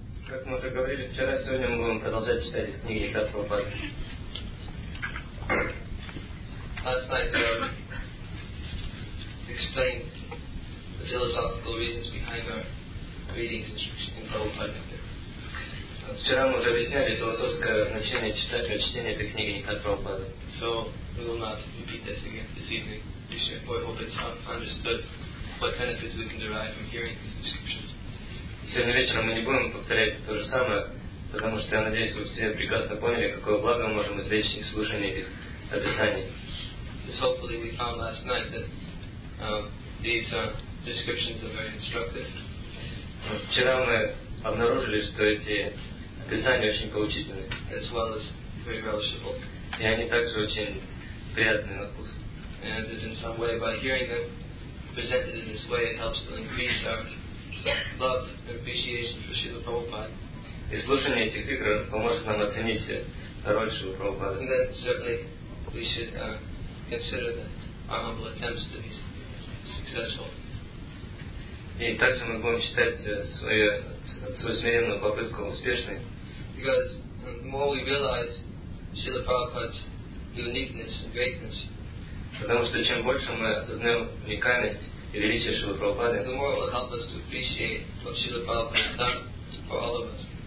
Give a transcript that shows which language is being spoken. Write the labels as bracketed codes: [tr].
[ru] Как мы уже говорили вчера, сегодня мы будем продолжать читать из книги Ильи Прабхупады. [en] Last night explained the philosophical reasons behind our readings in Prabhupada. [ru] Вчера мы уже объясняли философское значение читателя чтения этой книги Ильи Прабхупады. [en] So we will not repeat this again this evening. We should, I hope it's understood what benefits we can derive from hearing these descriptions. [ru] Сегодня вечером мы не будем повторять то же самое, потому что, я надеюсь, вы все прекрасно поняли, какое благо мы можем извлечь из слушания этих описаний. [en] This hopefully we found last night that these descriptions are very instructive. [ru] Вчера мы обнаружили, что эти описания очень поучительны. [en] As well as very relishable. [ru] И они также очень приятны на вкус. [en] And if in some way by hearing them presented in this way, it helps to increase our love and appreciation for Srila Prabhupada. [ru] И слушание этих игр поможет нам оценить роль Шрилы Прабхупады. [en] And then certainly we should consider that our humble attempts to be successful. [ru] И также мы будем считать свою смиренную попытку успешной. [en] Because the more we realize Srila Prabhupada's uniqueness and greatness, [ru] потому что чем больше мы осознаем уникальность и величие Шрилы Прабхупады, [en] the more it will help us to appreciate what Srila Prabhupada has done for all of us.